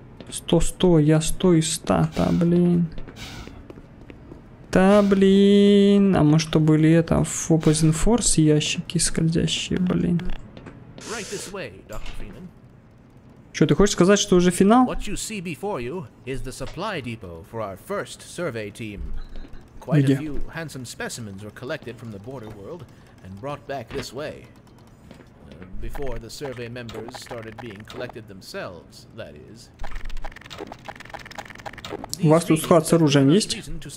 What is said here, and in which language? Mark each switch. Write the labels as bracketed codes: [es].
[ru] 100-100, я 100 из 100, та блин. Та блин, а может то были это, в Opposing Force ящики скользящие, блин. [en] Right this way, Dr. Freeman. [ru] Что, ты хочешь сказать, что уже финал? [en] What you see before you is the supply depot for our first survey team. Quite a few handsome specimens were collected from the border world and brought back this way. Before the survey members started being collected themselves, that is. [ru] У вас тут склад с оружием есть?